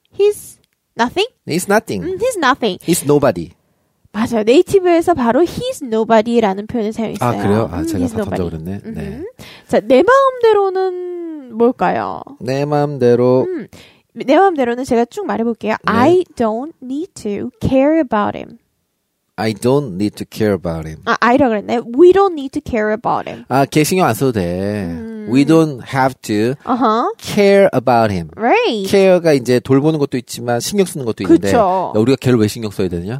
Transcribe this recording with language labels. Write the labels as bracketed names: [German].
[English] He's nothing? He's nothing. He's nothing. He's nobody. [Korean] 맞아요. 네이티브에서 바로 [English] he's nobody [Korean] 라는 표현을 사용했어요. 아, 그래요? 아, 제가 다 던져 그랬네. 네. 자, 내 마음대로는 뭘까요? 내 마음대로. 내 마음대로는 제가 쭉 말해볼게요. 네. [English] I don't need to care about him. I don't need to care about him. [Korean] 아, I라고 그랬네. [English] We don't need to care about him. [Korean] 아, 걔 신경 안 써도 돼. [English] We don't have to care about him. Right. [Korean] Care가 이제 돌보는 것도 있지만 신경 쓰는 것도 있는데 그쵸. 우리가 걔를 왜 신경 써야 되냐?